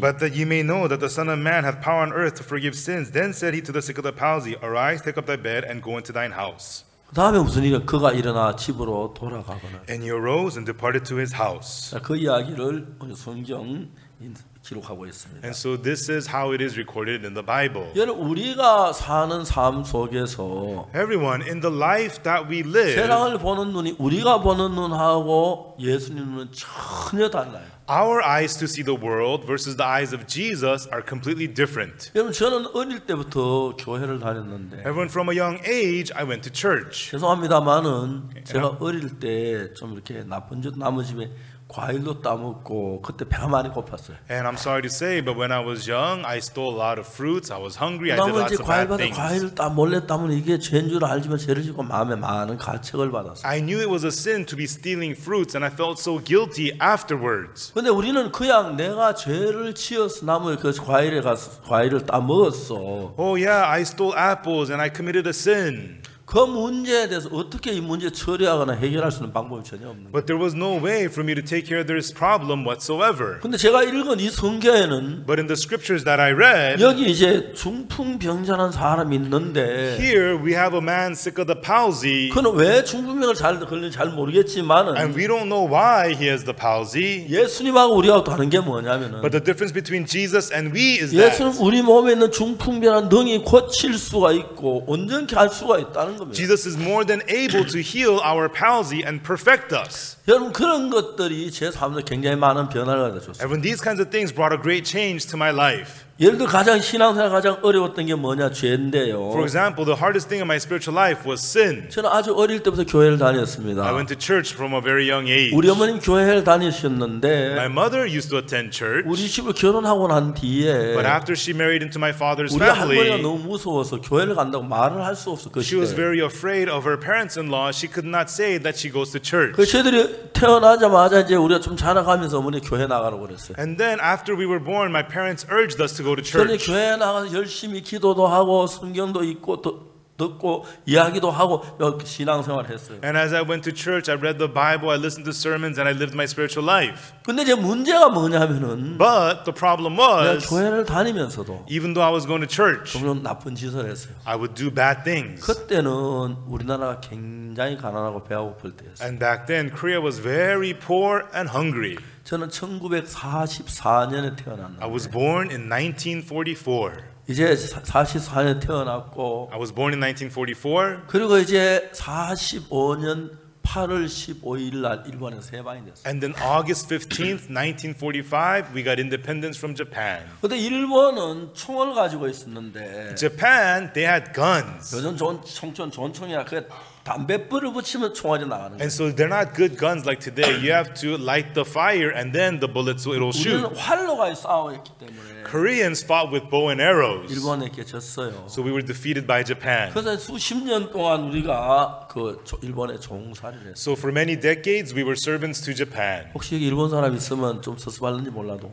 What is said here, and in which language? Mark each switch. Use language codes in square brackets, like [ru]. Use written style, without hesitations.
[en] But that ye may know that the Son of Man hath power on earth to forgive sins. Then said he to the sick of the palsy, Arise, take up thy bed, and go into thine house. [ko] 다음에 무슨 일이 그가 일어나 집으로 돌아가거나 [en] And he arose and departed to his house. [ko] 그 이야기를 성경 기록하고 있습니다. [en] And so this is how it is recorded in the Bible. [ko] 여러분 우리가 사는 삶 속에서 [en] Everyone in the life that we live [ko] 세상을 보는 눈이 우리가 보는 눈하고 예수님 눈은 전혀 달라요. [en] Our eyes to see the world versus the eyes of Jesus are completely different. [ko] 여러분 저는 어릴 때부터 교회를 다녔는데 [en] Everyone from a young age I went to church. [ko] 죄송합니다만은 제가 어릴 때 좀 이렇게 나쁜 짓 나머지 과일도 따먹고 그때 배가 많이 고팠어요. [en] And I'm sorry to say, but when I was young, I stole a lot of fruits. I was hungry. I did lots of bad things. [ko] 과일 받아 과일 따 몰래 따면 이게 죄인 줄 알지만 죄를 짓고 마음에 많은 가책을 받았어요. [en] I knew it was a sin to be stealing fruits, and I felt so guilty afterwards. [ko] 근데 우리는 그냥 내가 죄를 지어서 나무에 그 과일에 가서 과일을 따 먹었어. [en] Oh yeah, I stole apples and I committed a sin. [ko] 그 문제에 대해서 어떻게 이 문제 처리하거나 해결할 수 있는 방법이 전혀 없는. [en] But there was no way for me to take care of this problem whatsoever. [ko] 근데 제가 읽은 이 성경에는 [en] But in the scriptures that I read [ko] 여기 이제 중풍병자라는 사람이 있는데 [en] Here we have a man sick of the palsy. [ko] 그는 왜 중풍병을 잘 걸린지 잘 모르겠지만은 [en] And we don't know why he has the palsy. [ko] 예수님하고 우리하고 다른 게 뭐냐면은 [en] But the difference between Jesus and we is that [ko] 예수님 우리 몸에 있는 중풍병은 능히 고칠 수가 있고 온전히 할 수가 있다. [en] Jesus is more than able to heal our palsy and perfect us. [ko] 여러분 그런 것들이 제 삶에 굉장히 많은 변화를 가져줬어요. [en] Even these kinds of things brought a great change to my life. [ko] 예를 들어 가장 신앙생활 가장 어려웠던 게 뭐냐 죄인데요. [en] For example, the hardest thing in my spiritual life was sin. [ko] 저는 아주 어릴 때부터 교회를 다녔습니다. [en] I went to church from a very young age. [ko] 우리 어머님 교회를 다니셨는데. [en] My mother used to attend church. [ko] 우리 집을 결혼하고 난 뒤에. [en] But after she married into my father's family. [ko] 우리 할머니가 너무 무서워서 교회를 간다고 말을 할 수 없었어. [en] She was very afraid of her parents-in-law. She could not say that she goes to church. [ko] 그 저들이 태어나자마자 이제 우리가 좀 자라가면서 어머니 교회 나가라고 그랬어요. [en] And then after we were born, my parents urged us to. [ko] 저는 교회 나가서 열심히 기도도 하고 성경도 읽고 듣고 이야기도 하고 신앙생활을 했어요. [en] And as I went to church, I read the Bible, I listened to sermons, and I lived my spiritual life. [ko] 근데 이제 문제가 뭐냐면은. [en] But the problem was. [ko] 내가 교회를 다니면서도. [en] Even though I was going to church. [ko] 종종 나쁜 짓을 했어요. [en] I would do bad things. [ko] 그때는 우리나라가 굉장히 가난하고 배가 고플 때였어요. [en] And back then, Korea was very poor and hungry. [ko] 저는 1944년에 태어났는데. [en] I was born in 1944. [ko] 이제 44년 태어났고 [en] I was born in 1944. [ko] 그리고 이제 45년 8월 15일 날 일본에서 해방이 됐어요. [en] And then August 15th, 1945, we got independence from Japan. [ko] 근데 일본은 총을 가지고 있었는데 [en] Japan, they had guns. [ko] 요즘 총총 전총이야. 그 담뱃불을 붙이면 총알이 나가는 [en] And so they're not good guns like today. You have to light the fire and then the bullets will shoot. [ko] 우리는 활로 싸웠기 때문에 [en] Koreans fought with bow and arrows. [ko] 일본에게 졌어요. [en] So we were defeated by Japan. [ko] 그래서 수십 년 동안 우리가 그 일본에 종살이를 했어요. [en] So for many decades we were servants to Japan. [ko] 혹시 일본 사람 있으면 좀 서슴하는지 몰라도